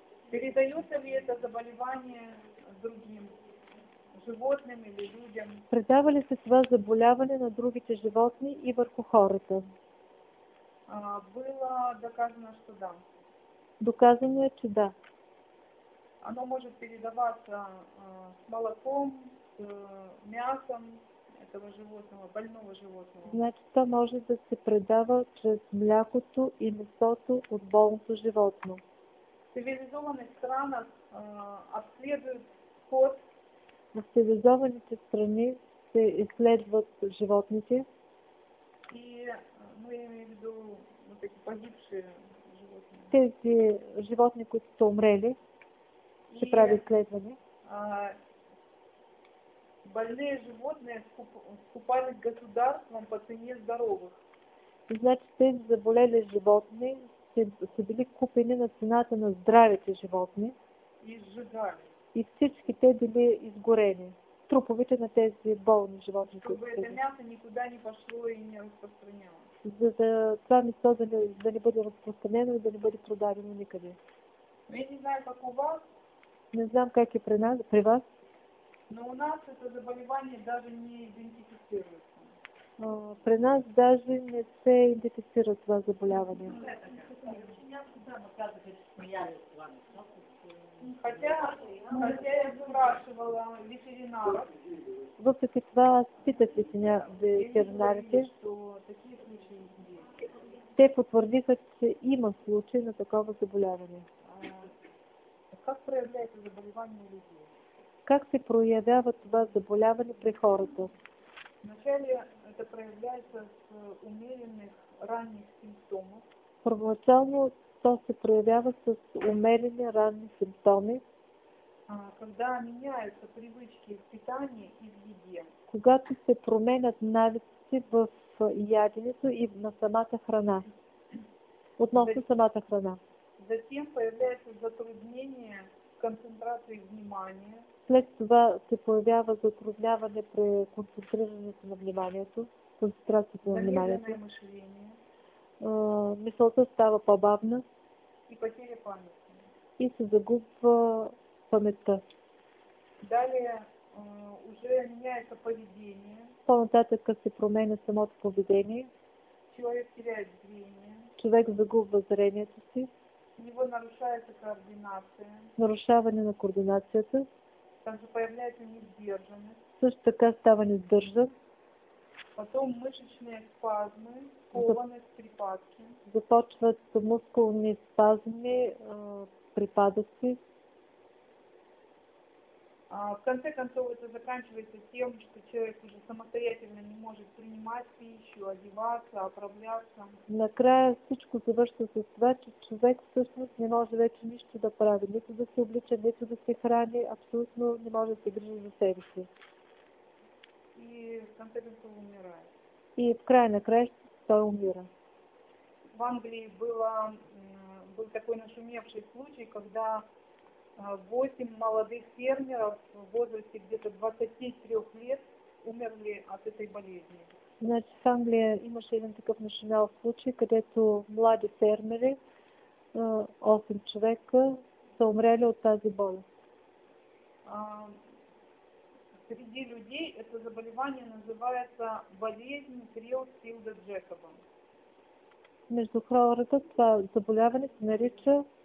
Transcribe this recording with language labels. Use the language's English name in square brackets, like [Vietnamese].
[Russian] Передается ли это заболевание другим животным или людям? [Bulgarian] Предава ли се това заболяване на другите животни и върху хората? [Russian] Было доказано, что да. [Bulgarian] Доказано е, че да. [Russian] Оно может передаваться с молоком, с мясом. этого животного, больного животного. [Bulgarian] Значит, то может да се предава через млякото и месото от болното животно. [Russian] В цивилизованных странах обследуют скот. В цивилизованных странах се исследуют животните. И мы имеем в виду вот эти погибшие животные. [Bulgarian] Тези животни, които са умрели, се прави изследване. [Russian] Больные животные скупали государством по цене здоровых. [Bulgarian] Значит, тези заболели животные са били купени на цената на здравите животни. [Russian] И сжигали. [Bulgarian] И всички те били изгорени. Труповете на тези болни животни. [Russian] Чтобы это мясо никуда не пошло и не распространялось. [Bulgarian] За това место да не бъде разпространено и да не бъде продадено никъде. [Russian] Я не знаю, как у вас. [Bulgarian] Не знам как и при вас. [Russian] Но у нас это заболевание даже не идентифицируется. [Bulgarian] При нас даже не се идентифицирует това заболевание. [Russian] Хотя я спрашивала ветеринаров. [Bulgarian] Въпреки това питах ветеринарите, [Russian] что такие случаи есть. [Bulgarian] Те потвърдиха, че има случаи на такова заболяване. [Russian] Как проявляется заболевание у людей? [Bulgarian] Как се проявява това заболяване при хората? [Russian] Вначале это проявляется с умеренных ранних симптомов. [Bulgarian] Първоначално то се проявява с умерени ранни симптоми. [Russian] Когда меняются привычки в питании и в еде. [Bulgarian] Когато се променят навиците в яденето и на самата храна. Относно самата храна. [Russian] Затем появляется затруднение в концентрации внимания. [Bulgarian] След това се появява затрудняване при концентрирането на вниманието, концентрацията на вниманието. [Russian] Замедленное мышление. [Bulgarian] Мисълта става по-бавна. [Russian] И потеря памети. [Bulgarian] И се загубва паметта. [Russian] Далее уже меняется поведение. [Bulgarian] По-нататък се променя самото поведение. [Russian] Человек теряет зрение. [Bulgarian] Човек загубва зрението си. [Russian] У него нарушается координация. [Bulgarian] Нарушаване на координацията. [Russian] Также появляется несдержанность. [Bulgarian] Също така става несдържан. [Russian] Потом мышечные спазмы, скованность, припадки. [Bulgarian] Започват мускулни спазми, припадъци. [Russian] В конце концов это заканчивается тем, что человек уже самостоятельно не может принимать пищу, одеваться, оправляться. [Bulgarian] Накрая всичко завършва с това, че човек всъщност не може вече нищо да прави, нито да се облича, нито да се храни, абсолютно не може да се грижи за себе си. [Russian] И в конце концов умирает. [Bulgarian] И в края на края той умира. [Russian] В Англии был такой нашумевший случай, когда 8 молодых фермеров в возрасте где-то 23 лет умерли от этой болезни. [Bulgarian] Значит, в Англии имаше един такъв нашумял случай, където млади фермери, 8 человека, са умрели от тази болест. [Russian] Среди людей это заболевание называется болезнь Крилл-Филда-Джекоба. [Bulgarian] Между хората това заболяване се нарича